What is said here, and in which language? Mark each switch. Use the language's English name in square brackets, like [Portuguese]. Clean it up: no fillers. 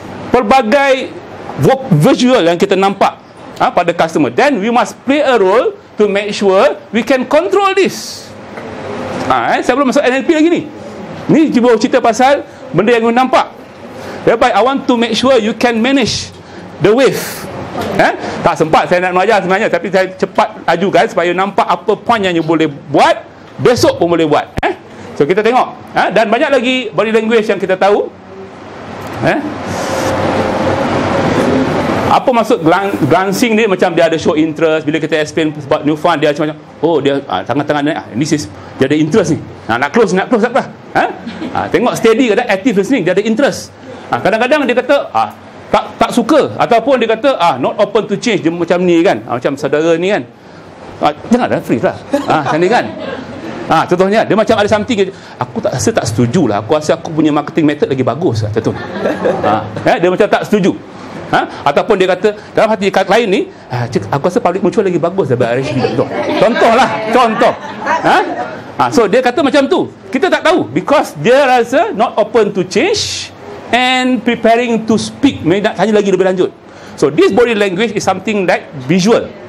[Malay] Pelbagai visual yang kita nampak pada customer. [English] Then we must play a role to make sure we can control this. [Malay] Saya belum masuk NLP lagi ni. Ni cuba cerita pasal benda yang kita nampak. [English] Rabbi, I want to make sure you can manage the wave. [Malay] Tak sempat saya nak mengajar sebenarnya, tapi saya cepat laju kan supaya nampak apa point yang you boleh buat, besok pun boleh buat. So kita tengok. Dan banyak lagi body language yang kita tahu. Apa maksud glancing ni? Macam dia ada show interest. Bila kita explain about new fund, dia macam, oh dia tengah-tengah ni, [English] this is, [Malay] dia ada interest ni. Nak close apa? Tengok steady ke tak? Active listening, dia ada interest. Kadang-kadang dia kata tak suka, ataupun dia kata [English] not open to change. [Malay] Dia macam ni kan, macam saudara ni kan, janganlah freeze lah. Sandi kan, contohnya dia macam ada something, aku tak rasa, tak setuju lah, aku rasa aku punya marketing method lagi bagus lah, contoh. Dia macam tak setuju. Ataupun dia kata dalam hati lain ni, aku rasa public mutual lagi bagus daripada RHB. Contoh. So dia kata macam tu, kita tak tahu, [English] because [Malay] dia rasa [English] not open to change and preparing to speak. [Malay] Maybe nak tanya lagi lebih lanjut. [English] So this body language is something like visual.